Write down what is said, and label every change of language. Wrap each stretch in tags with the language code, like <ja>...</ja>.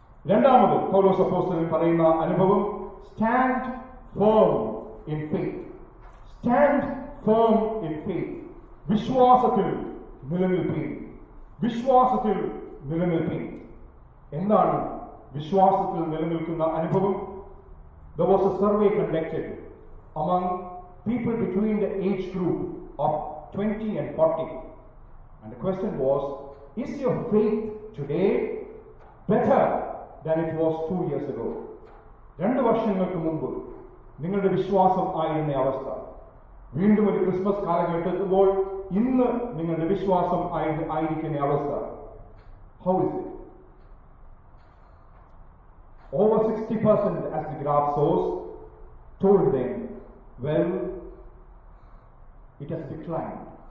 <ml>രണ്ടാമത് പൗലോസ് അപ്പോസ്തലൻ പറയുന്ന അനുഭവം,</ml> <en>Stand firm in faith. Stand firm in faith,</en> <ml>വിശ്വാസത്തിൽ നിലനിൽപ്പീൻ. വിശ്വാസത്തിൽ നിലനിൽപ്പീൻ. എന്താണ് വിശ്വാസത്തിൽ നിലനിൽക്കുന്ന അനുഭവം?</ml> <en>There was a survey conducted among people between the age group of 20 and 40. And the question was, is your faith today better than it was 2 years ago?</en> <ml>രണ്ട് വർഷങ്ങൾക്ക് മുമ്പ് നിങ്ങളുടെ വിശ്വാസം ആയിരുന്ന അവസ്ഥ, വീണ്ടും ഒരു ക്രിസ്മസ് കാലം കേട്ടെത്തുമ്പോൾ ഇന്ന് നിങ്ങളുടെ വിശ്വാസം ആയിരിക്കുന്ന അവസ്ഥ,</ml> <en>How is it? Over 60%, as the graph shows, told them, well, it has declined.</en>